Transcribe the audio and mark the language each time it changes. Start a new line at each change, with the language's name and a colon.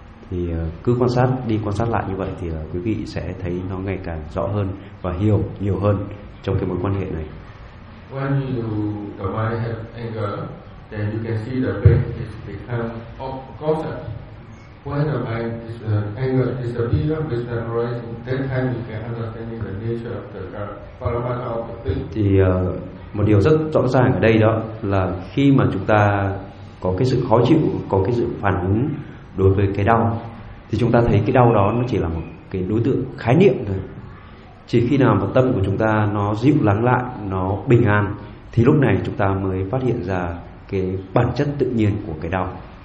Vietnamese: Thì cứ quan sát đi quan sát lại như vậy thì quý vị sẽ thấy nó ngày càng rõ hơn và hiểu nhiều hơn trong cái mối quan hệ này.
English: When you the mind have anger, then you can see the pain is become constant. When the mind is anger is a bigger wisdom arising, then time you can understand the nature of the paramana of the pain.
Vietnamese: Thì một điều rất rõ ràng ở đây đó là khi mà chúng ta có cái sự khó chịu, có cái sự phản ứng đối với cái đau, thì chúng ta thấy cái đau đó nó chỉ là một cái đối tượng khái niệm thôi. Chỉ khi nào mà tâm của chúng ta nó dịu lắng lại, nó bình an, thì lúc này chúng ta mới phát hiện ra cái bản chất tự nhiên của cái đau.